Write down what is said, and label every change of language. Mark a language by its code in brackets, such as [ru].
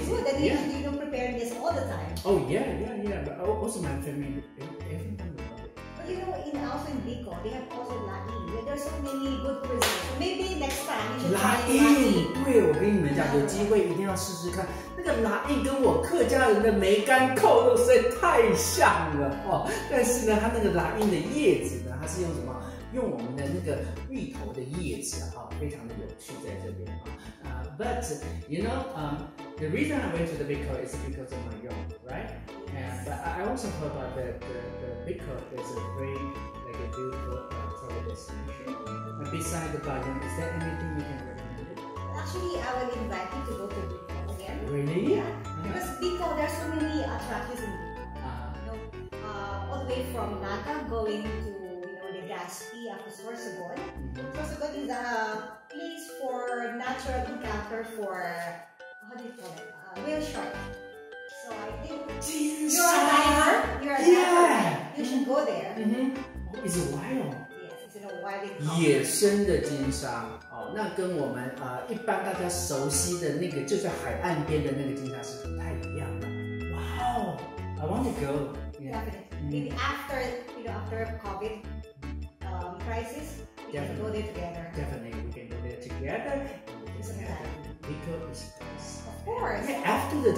[en] It's good that you don't prepare this all the time. Oh, yeah. But also my family, every time we love it. But you know, also in Bicol, they have also lahing. There's so many good cuisine. So maybe next time, you should try lahing. [zh] 对，我跟你们讲，有机会一定要试试看。那个拉印跟我客家人的梅干扣肉实在太像了哦。但是呢，它那个拉印的叶子呢，它是用什么？用我们的那个芋头的叶子啊，非常的有趣在这边啊。 [en] But you know, the reason I went to the Bicol is because of my yolk, right? But I also heard about the Bicol is a very like a beautiful travel destination. And besides the Bajan, is there anything you can recommend? Actually, I will invite you to go to Bicol again. Really? Yeah. Because Bicol, there are so many attractions in Bicol. All the way from Naga going to, you know, Legazpi after Sorsogon. Sorsogon is a place for natural encounter for, how do you call it? Whale shark. So I think you're a diver. You should go there. Mm-hmm. Oh, it's wild. [zh] 野生的金沙、那跟我们、一般大家熟悉的那个就在海岸边的那个金沙是不太一样的。 [en] 哇、wow, 哦 ，I want to go. Yeah, maybe after you know after COVID crisis, we can go there together.